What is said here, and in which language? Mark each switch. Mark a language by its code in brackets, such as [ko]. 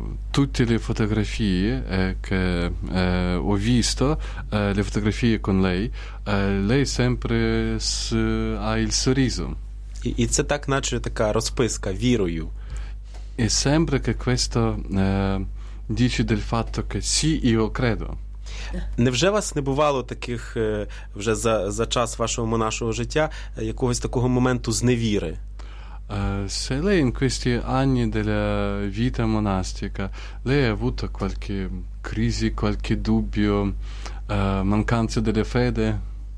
[it] Tutte le fotografie che ho visto, le fotografie con lei, lei sempre ha il sorriso. [uk] І це так, наче така розписка вірою. [it] E sempre che questo dice del fatto che sì, io credo. [uk] Невже вас не бувало таких вже за час вашого монашого життя якогось такого моменту зневіри? [it] Lei in questi anni della vita monastica, lei ha avuto qualche crisi, qualche dubbio, mancanza della fede?